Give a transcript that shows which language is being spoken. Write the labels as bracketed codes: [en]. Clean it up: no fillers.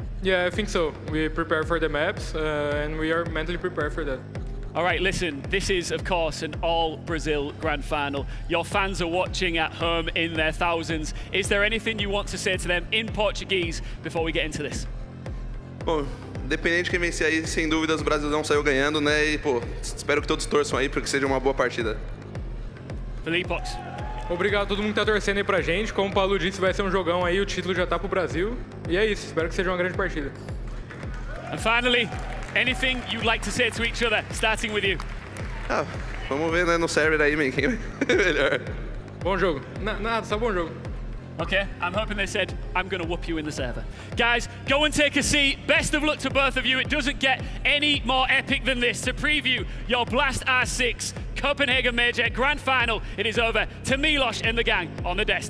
[en] Yeah, I think so. We prepare for the maps and we are mentally prepared for that. All right, listen, this is, of course, an all-Brazil grand final. Your fans are watching at home in their thousands. Is there anything you want to say to them in Portuguese before we get into this? [pt] Bom, dependendo de quem vencer aí, sem dúvidas, o Brasilzão saiu ganhando, né? E, pô, espero que todos torçam aí, porque seja uma boa partida. Felipe Ox. Obrigado a todo mundo que tá torcendo aí pra gente. Como o Paulo disse, vai ser um jogão aí, o título já tá pro Brasil. E é isso, espero que seja uma grande partida. [en] And finally, anything you'd like to say to each other, starting with you? [pt] Ah, vamos ver, né, no server aí, quem é melhor. Bom jogo. Nada, só bom jogo. [en] Okay, I'm hoping they said, I'm gonna whoop you in the server. Guys, go and take a seat. Best of luck to both of you. It doesn't get any more epic than this. To preview your Blast R6 Copenhagen Major Grand Final, it is over to Milos and the gang on the desk.